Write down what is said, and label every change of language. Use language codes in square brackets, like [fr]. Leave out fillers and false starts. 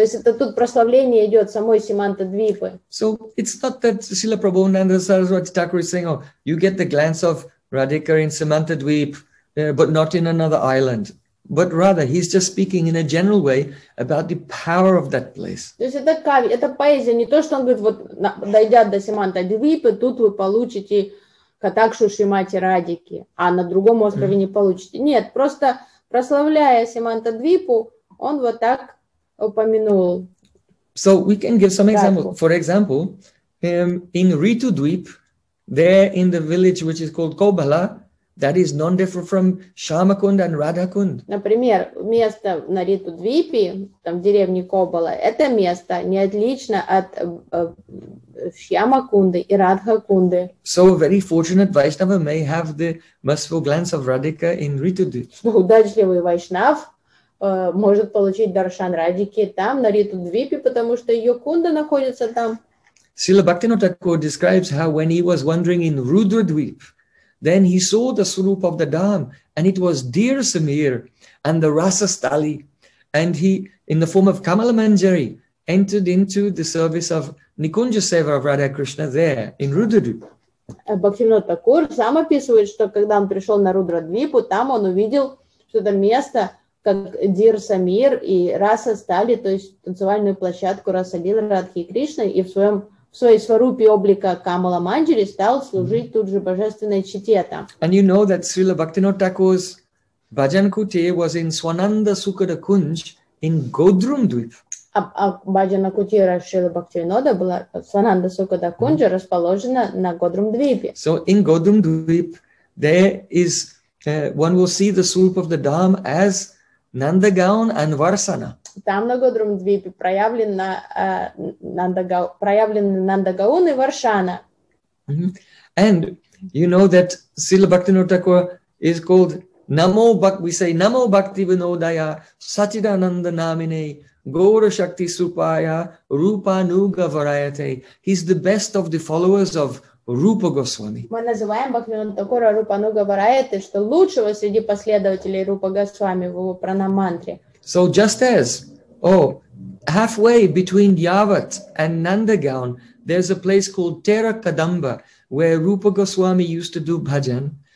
[ru] То есть это тут прославление идет самой Симантадвипы. [en] So it's not that Srila Prabhupada Saraswati Thakur is saying, oh, you get the glance of Radhika in Simantadvip, but not in another island. But rather, he's just speaking in a general way about the power of that place. [ru] То есть это поэзия, не то, что он говорит, вот дойдя до Симантадвипы, тут вы получите катакшу Шримати Радики, а на другом острове не получите. Нет, просто прославляя Симантадвипу, он вот так упомянул. [en] So we can give some examples. For example, in Ritudvip, there in the village which is called Kobala, that is non different from Shamakund and Radhakund. [ru] Например, место на Ритудвипе, там в деревне Кобала, это место не отлично от Шьямакунды и Радхакунды. [en] So a very fortunate Vaishnava may have the merciful glance of Radhika in Ритудвип. [ru] Удачливый Вайшнав может получить даршан Радики там, на Ритудвипе, потому что ее кунда находится там. [en] Srila Bhaktivinoda Thakur describes how when he was wandering in Rudradvip, then he saw the Swarup of the Dham, and it was Deer Samir and the Rasa Stali. And he, in the form of Kamala Manjari, entered into the service of Nikunja Seva of Radha Krishna there in Rudradvip. [ru] Bhaktivinoda Thakur сам описывает, что когда он пришел на Рудрадвипу, там он увидел, что это место, как Дир Самир и Раса Стали, то есть танцевальную площадку Раса Лилы Радхи Кришны, и в своей сварупе облика Камала Манджари стал служить тут же божественной чите там. [en] And you know that Srila Bhaktivinoda Thakur's bhajan kuti was in Swananda Sukada Kunj in Godrumdvip. [ru] А баджана кути Шрилы Бхактивинода была Свананда Сукада Кунджа расположена на Годрумдвипе. [en] So in Godrumdvip, there is one will see the swarup of the Dham as Nandagaon and Varsana. [ru] Там на Годрумдвипе проявлены Нандагаон и Варшана. [en] And you know that Srila Bhaktivinoda Thakur is called Namo Bhaktivinodaya Sachidananda Namine Gaura Shakti Supaya Rupa Nuga Varayate. He's the best of the followers of Rupa Goswami. [ru] Мы называем Бхактивинода Такура Рупа Нуга Варайте, что лучшего среди последователей Рупа Госвами в его пранамантре. [en] So just as, oh, halfway between Yavat and Nandagaon, there's a place called Tera Kadamba, where Rupa Goswami used to do bhajan.